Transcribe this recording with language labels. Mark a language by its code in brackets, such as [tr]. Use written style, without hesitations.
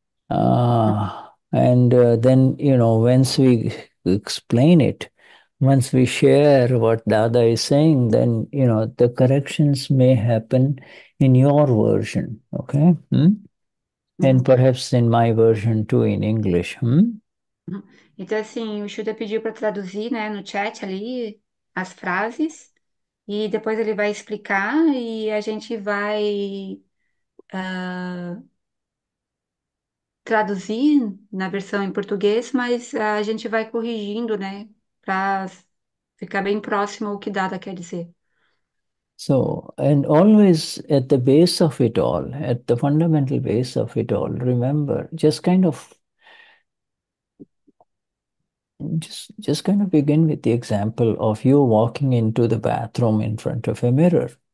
[en] Then, once we explain it, once we share what Dada is saying, then, the corrections may happen in your version, okay? And perhaps in my version too, in English. [pt] Então, assim, o Shuda pediu para traduzir, né, no chat ali as frases, e depois ele vai explicar e a gente vai traduzir na versão em português, mas a gente vai corrigindo, né, para ficar bem próximo ao que Dada quer dizer. [en] So, and always at the base of it all, at the fundamental base of it all, remember, just kind of begin with the example of you walking into the bathroom in front of a mirror.